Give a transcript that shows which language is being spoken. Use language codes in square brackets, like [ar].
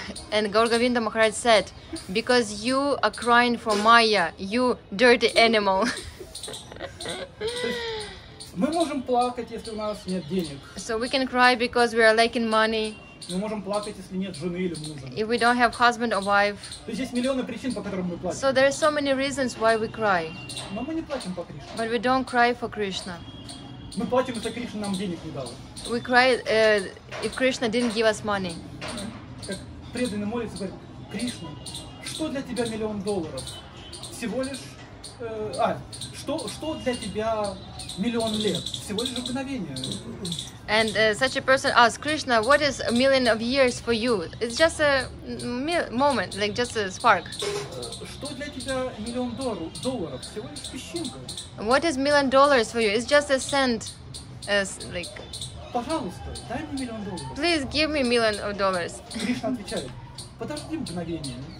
[en] And Gaurgavinda Maharaj said, because you are crying for Maya, you dirty animal. [ru] Мы можем плакать, если у нас нет денег. [en] So we can cry because we are lacking money. [ru] Мы можем плакать, если нет жены или мужа. [en] If we don't have husband or wife. [ru] То есть есть миллионы причин, по которым мы плачем. [en] So there are so many reasons why we cry. [ru] Но мы не плачем по Кришне. [en] But we don't cry for Krishna. [ru] Мы плачем, если Кришна нам денег не дал. [en] We cry if Krishna didn't give us money. [ru] Как преданный молится, говорит, Кришна, что для тебя миллион долларов? Всего лишь... Что для тебя миллион лет? Всего лишь мгновение. [en] And such a person asks, Krishna, what is a million of years for you? It's just a moment, like just a spark. [ru] Что для тебя миллион долларов? Всего лишь песчинка. [en] What is million dollars for you? It's just a cent, like... [ru] Пожалуйста, дай мне миллион долларов. [en] Please give me million of dollars. [ru] Кришна отвечает, подожди мгновение.